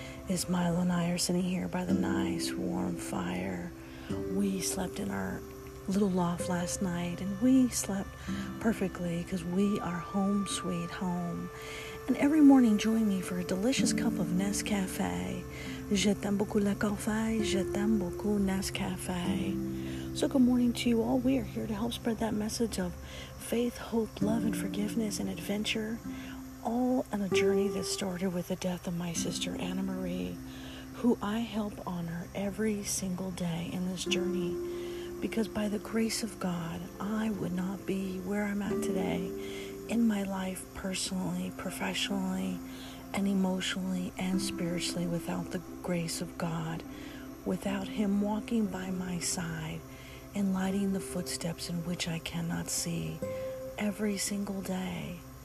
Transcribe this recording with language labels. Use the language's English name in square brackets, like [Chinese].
[English] As Milo and I are sitting here by the nice warm fire, we slept in our little loft last night, and we slept perfectly because we are home sweet home. And every morning, join me for a delicious cup of Nescafe. [French] Je t'aime beaucoup le café, je t'aime beaucoup Nescafe. [English] So good morning to you all. We are here to help spread that message of faith, hope, love, and forgiveness, and adventure, all on a journey that started with the death of my sister Anna Marie, who I help honor every single day in this journey, because by the grace of God, I would not be where I'm at today in my life, personally, professionally, and emotionally and spiritually without the grace of God, without Him walking by my side and lighting the footsteps in which I cannot see every single day.